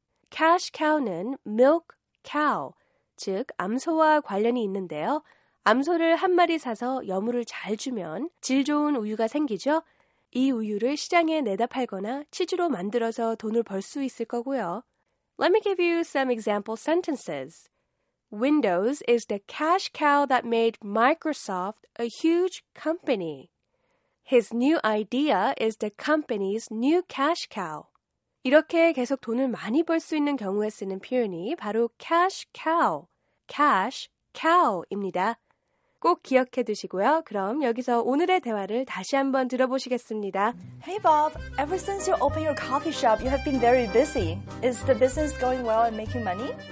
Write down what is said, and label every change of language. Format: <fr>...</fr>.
<ko>Cash cow는 milk cow, 즉 암소와 관련이 있는데요. 암소를 한 마리 사서 여물을 잘 주면 질 좋은 우유가 생기죠. 이 우유를 시장에 내다 팔거나 치즈로 만들어서 돈을 벌 수 있을 거고요.</ko> <en>Let me give you some example sentences. Windows is the cash cow that made Microsoft a huge company. His new idea is the company's new cash cow.</en> <ko>이렇게 계속 돈을 많이 벌 수 있는 경우에 쓰는 표현이 바로 cash cow, cash cow입니다. 꼭 기억해 두시고요. 그럼 여기서 오늘의 대화를 다시 한번 들어보시겠습니다.</ko> <en>Hey Bob, ever since you opened your coffee shop, you have been very busy. Is the business going well and making money?</en>